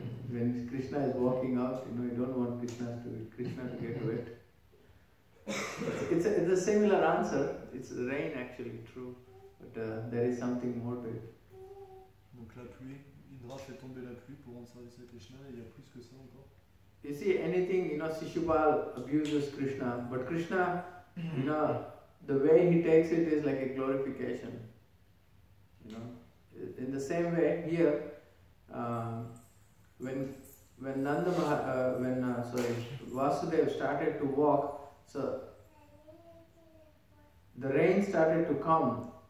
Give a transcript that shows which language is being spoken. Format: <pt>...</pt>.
<en>When Krishna is walking out, you know, you don't want Krishna to get wet. It's a similar answer. It's rain actually, true, but there is something more to it.</en> <fr>Donc la pluie, Indra fait tomber la pluie pour rendre service à Krishna. Il y a plus que ça encore.</fr> <en>You see, anything, you know, Shishupal abuses Krishna, but Krishna, you know, the way he takes it is like a glorification. You know, in the same way here, Vasudev started to walk, so the rain started to come.</en>